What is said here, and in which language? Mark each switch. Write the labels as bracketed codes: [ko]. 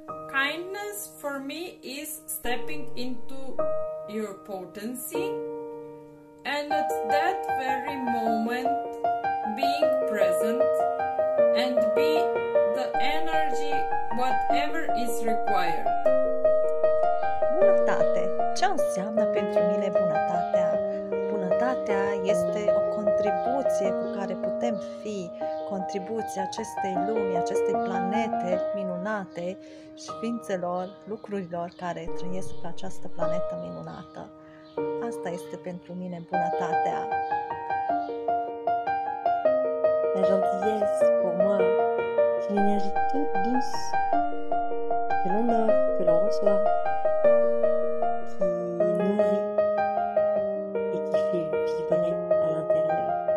[en] Kindness for me is stepping into your potency, and at that very moment being present and be the energy, whatever is required. [ro] Bunătate, ce înseamnă pentru mine bunătatea? Bunătatea este o contribuție cu care putem fi, contribuția acestei lumi, acestei planete minunate și ființelor, lucrurilor care trăiesc pe această planetă minunată. Asta este pentru mine bunătatea. [fr] Gentillesse pour moi, c'est une énergie toute douce que l'on a, que l'on reçoit, qui nourrit et qui fait vibrer à l'intérieur.